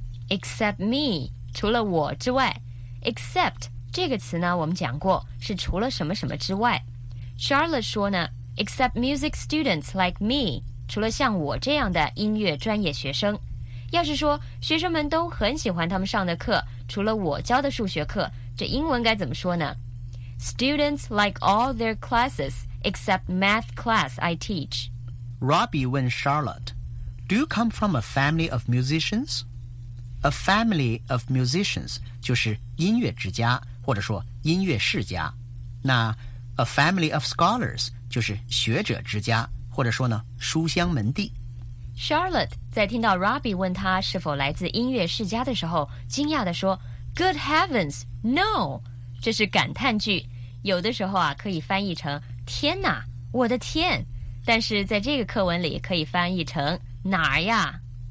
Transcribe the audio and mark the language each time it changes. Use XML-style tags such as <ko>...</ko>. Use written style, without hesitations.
<en>Except me，</en> <zh>除了我之外 ，</zh> <en>except。</en> <zh>这个词呢我们讲过是除了什么什么之外 Charlotte 说呢</zh> <en>except music students like me</en> <zh>除了像我这样的音乐专业学生要是说学生们都很喜欢他们上的课除了我教的数学课这英文该怎么说呢</zh> <en>students like all their classes except math class I teach Robbie</en> <zh>问</zh> <en>Charlotte Do you come from a family of musicians? A family of musicians</en> <zh>就是音乐之家或者说音乐世家那</zh> <en>a family of scholars</en> <zh>就是学者之家或者说呢书香门第 Charlotte 在听到 Robbie 问他是否来自音乐世家的时候惊讶地说</zh> <en>Good heavens, no</en> <zh>这是感叹句有的时候啊可以翻译成天哪我的天但是在这个课文里可以翻译成哪儿呀</zh>